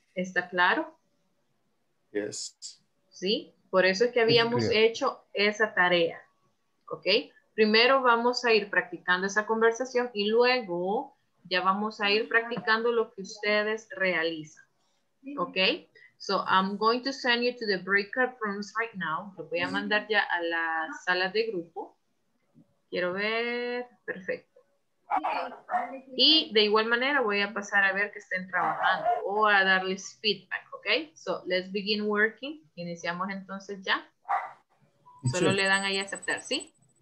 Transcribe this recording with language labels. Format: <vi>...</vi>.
<es>¿Está claro?</es> <en>Yes.</en> <es>Sí, por eso es que habíamos hecho esa tarea. ¿Ok? Primero vamos a ir practicando esa conversación y luego ya vamos a ir practicando lo que ustedes realizan. ¿Ok?</es> <en>So I'm going to send you to the breakout rooms right now.</en> <es>Lo voy a mandar ya a la sala de grupo. Quiero ver. Perfecto. Y de igual manera voy a pasar a ver que estén trabajando o a darles feedback, ¿ok?</es> <en>So, let's begin working.</en> <es>Iniciamos entonces ya. Solo le dan ahí a aceptar, ¿sí?</es>